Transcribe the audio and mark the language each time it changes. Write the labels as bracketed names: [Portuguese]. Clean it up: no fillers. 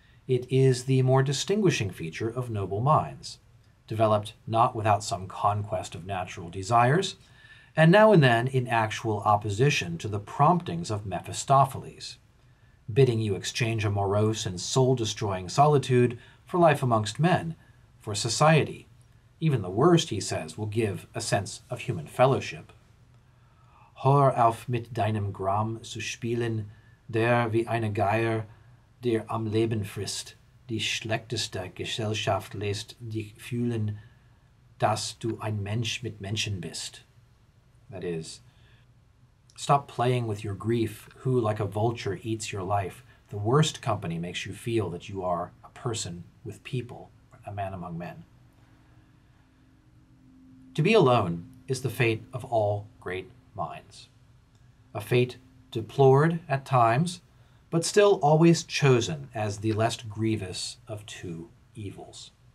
[English] it is the more distinguishing feature of noble minds, developed not without some conquest of natural desires, and now and then in actual opposition to the promptings of Mephistopheles, bidding you exchange a morose and soul-destroying solitude for life amongst men, for society. Even the worst, he says, will give a sense of human fellowship. [German] Hör auf mit deinem Gram zu spielen, der wie eine Geier dir am Leben frisst. Die schlechteste Gesellschaft lässt dich fühlen, dass du ein Mensch mit Menschen bist. [English] That is, stop playing with your grief, who like a vulture eats your life. The worst company makes you feel that you are a person with people, a man among men. To be alone is the fate of all great minds, a fate deplored at times, but still always chosen as the less grievous of two evils.